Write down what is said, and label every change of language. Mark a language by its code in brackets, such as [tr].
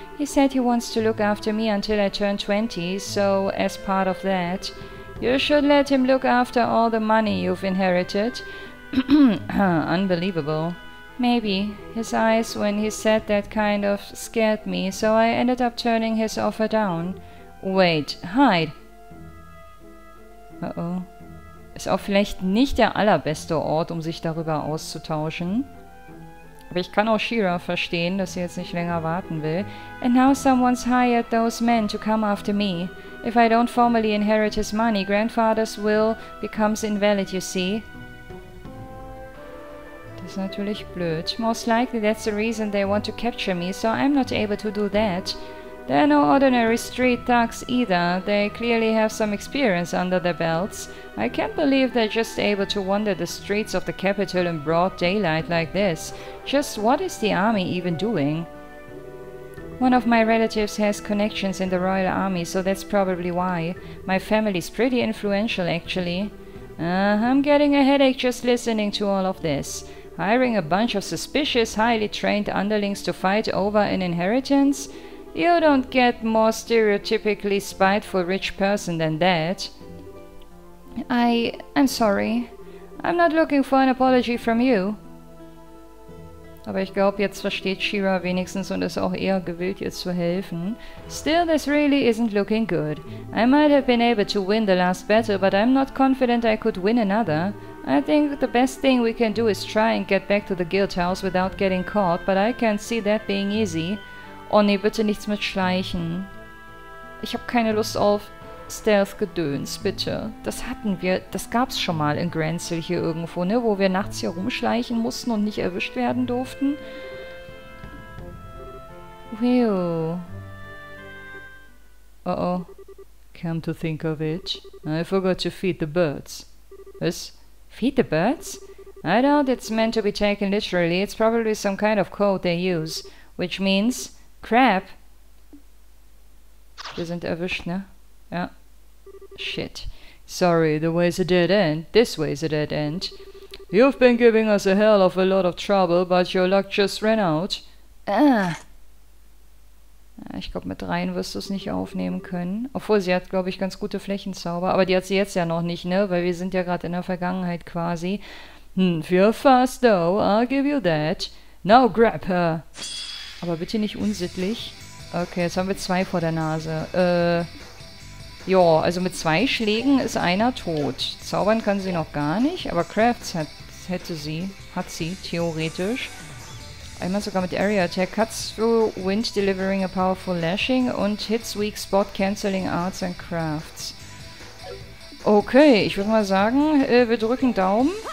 [en] He said he wants to look after me until I turn 20, so as part of that, you should let him look after all the money you've inherited. Unbelievable. Maybe. His eyes, when he said that, kind of scared me, so I ended up turning his offer down. Wait, hide. Uh-oh. [de] Ist auch vielleicht nicht der allerbeste Ort, um sich darüber auszutauschen. Aber ich kann auch She-Ra verstehen, dass sie jetzt nicht länger warten will. [en] And now someone's hired those men to come after me. If I don't formally inherit his money, grandfather's will becomes invalid, you see. [de] Das ist natürlich blöd. [en] Most likely that's the reason they want to capture me, so I'm not able to do that. They're no ordinary street thugs either. They clearly have some experience under their belts. I can't believe they're just able to wander the streets of the capital in broad daylight like this. Just what is the army even doing? One of my relatives has connections in the Royal Army, so that's probably why. My family's pretty influential, actually. I'm getting a headache just listening to all of this. Hiring a bunch of suspicious, highly trained underlings to fight over an inheritance? You don't get more stereotypically spiteful rich person than that. I'm sorry. I'm not looking for an apology from you. [de] Aber ich glaube, jetzt versteht She-Ra wenigstens und ist auch eher gewillt, jetzt zu helfen. [en] Still, this really isn't looking good. I might have been able to win the last battle, but I'm not confident I could win another. I think the best thing we can do is try and get back to the guild house without getting caught, but I can't see that being easy. [de] Oh nee, bitte nichts mit Schleichen. Ich habe keine Lust auf Stealth-Gedöns, bitte. Das hatten wir, das gab's schon mal in Grancil hier irgendwo, ne? Wo wir nachts hier rumschleichen mussten und nicht erwischt werden durften. [en] Will. Oh oh. Come to think of it, I forgot to feed the birds. [de] Was? [en] Feed the birds? I doubt it's meant to be taken literally. It's probably some kind of code they use. Which means... Crap! [de] Wir sind erwischt, ne? Ja. [en] Shit. Sorry, the way's a dead end. This way's a dead end. You've been giving us a hell of a lot of trouble, but your luck just ran out. [de] Ich glaube, mit rein wirst du es nicht aufnehmen können. Obwohl, sie hat, glaube ich, ganz gute Flächenzauber. Aber die hat sie jetzt ja noch nicht, ne? Weil wir sind ja gerade in der Vergangenheit quasi. [en] If you're fast, though, I'll give you that. Now grab her! [de] Aber bitte nicht unsittlich. Okay, jetzt haben wir zwei vor der Nase. Jo, also mit zwei Schlägen ist einer tot. Zaubern kann sie noch gar nicht, aber Crafts hat sie, theoretisch. Einmal sogar mit Area Attack. [en] Cuts through wind, delivering a powerful lashing und hits weak spot, cancelling arts and crafts. [de] Okay, ich würde mal sagen, wir drücken Daumen.